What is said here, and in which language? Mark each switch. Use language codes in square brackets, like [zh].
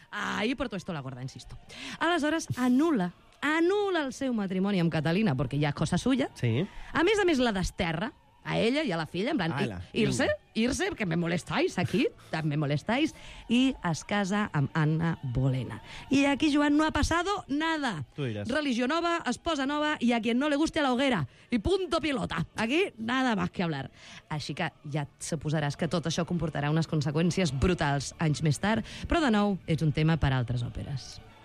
[ca] Ahir porto estola gorda, insisto. Aleshores, anul·la el seu matrimoni amb Catalina, perquè ja és cosa suya. Sí. A més, la desterra, a ella i a la filla, en plan, [es] irse, que me molestais aquí, [ca] també molestais, i es casa amb Anna Bolena. [es] I aquí, Joan, no ha pasado nada. [ca] Tu diràs. Religió nova, esposa nova, [es] i a quien no le guste a la hoguera. I punto pilota. Aquí, nada más que hablar. [ca] Així que ja et suposaràs que tot això comportarà unes conseqüències brutals anys més tard, però, de nou, és un tema per altres òperes.